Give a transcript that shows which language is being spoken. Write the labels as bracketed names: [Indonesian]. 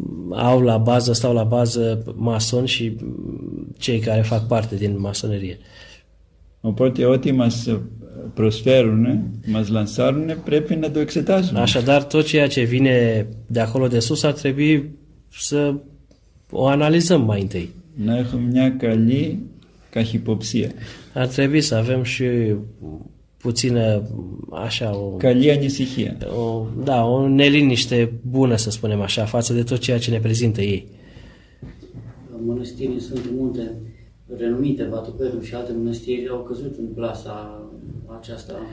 [Romanian] au la bază, stau la bază masoni și cei care fac parte din masonerie. [Greek] Οπότε ό,τι μας προσφέρουν, μας λανσάρουν, πρέπει να το εξετάσουμε. [Romanian] Așadar, tot ceea ce vine de acolo de sus ar trebui să o analizăm mai întâi. [Greek] Να έχουμε μια καλή καχυποψία. [Romanian] Ar trebui să avem și puțină așa o [Greek] calia nisihia. [Romanian] Da, o neliniște bună, să spunem așa, față de tot ceea ce ne prezintă ei. Mănăstirii sunt multe renumite, Batuperu și alte mănăstiri au căzut în plasa aceasta.